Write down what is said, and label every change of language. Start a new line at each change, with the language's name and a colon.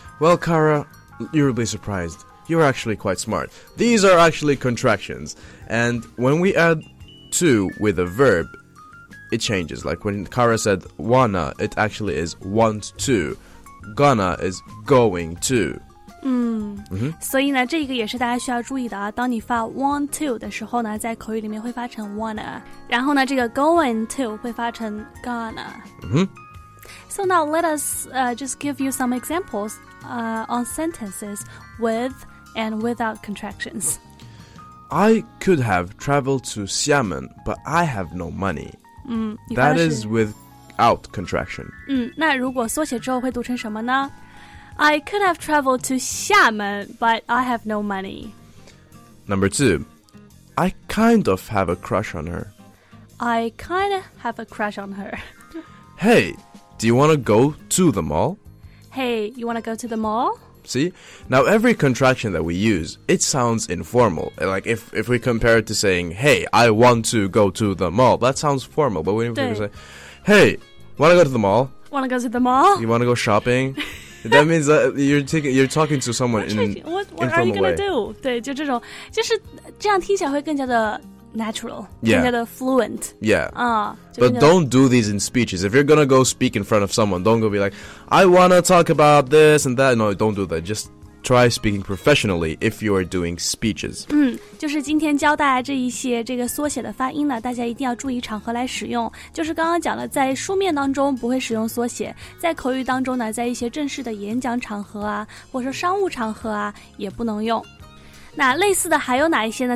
English: Well, Kara, you'll be surprised. You're actually quite smart. These are actually contractions. And when we add to with a verb,It changes. Like when Kara said wanna, it actually is want to. Gonna is going to.
Chinese: 所以呢，这个也是大家需要注意的啊。当你发 want to 的时候呢，在口语里面会发成 wanna， 然后呢，这个 going to 会发成 gonna。
English: So now let us just give you some examples on sentences with and without contractions. I could have traveled to Xiamen, but I have no money.
Chinese: 嗯,
English: that is without contraction.
Chinese: 嗯，那如果缩写之后会读成什么呢？
English: I could have traveled to Xiamen, but I have no money. Number two, I kind of have a crush on her. I kind of have a crush on her. Hey, do you want to go to the mall? Hey, you want to go to the mall? See? Now every contraction that we use, it sounds informal. Like if we compare it to saying, hey, I want to go to the mall, that sounds formal. But when you say, hey, wanna go to the mall? Wanna go to the mall? You wanna go shopping? That means that you're talking to someone in an informal way. What are you gonna do?
Chinese: 对，就这种，就是这样听起来会更加的natural,
English: yeah.
Chinese: 更加的 fluent.
English: Yeah. But don't do these in speeches. If you're going to go speak in front of someone, don't go be like, I want to talk about this and that. No, don't do that. Just try speaking professionally if you are doing speeches.
Chinese: 就是今天教大家这一些这个缩写的发音呢，大家一定要注意场合来使用。就是刚刚讲了，在书面当中不会使用缩写，在口语当中呢，在一些正式的演讲场合啊，或者说商务场合啊，也不能用。那类似的还有哪一些呢？